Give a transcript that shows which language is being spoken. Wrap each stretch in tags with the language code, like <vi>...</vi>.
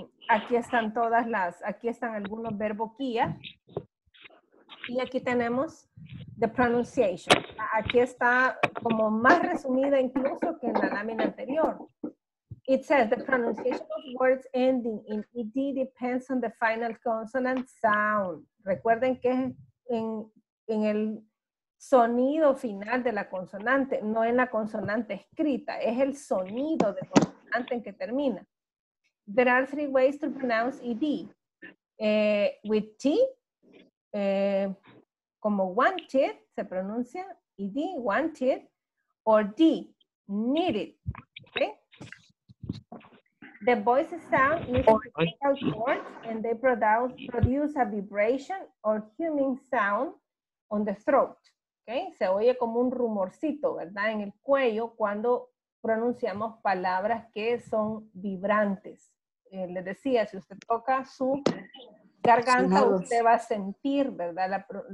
<es>Aquí están algunos verbos guía y aquí tenemos</es> <en>the pronunciation.</en> <es>Aquí está como más resumida incluso que en la lámina anterior.</es> <en>It says the pronunciation of words ending in ed depends on the final consonant sound.</en> <es>Recuerden que es en el sonido final de la consonante, no en la consonante escrita, es el sonido de consonante en que termina.</es> <en>There are three ways to pronounce ED. With T, como wanted,</en> <es>se pronuncia</es> <en>ED, wanted, or D, needed. Okay? The voice sound is vocal cords and they produce a vibration or humming sound on the throat.</en> <es>Okay? Se oye como un rumorcito, ¿verdad? En el cuello cuando pronunciamos palabras que son vibrantes. Le decía, si usted toca su garganta, usted va a sentir, ¿verdad?</es>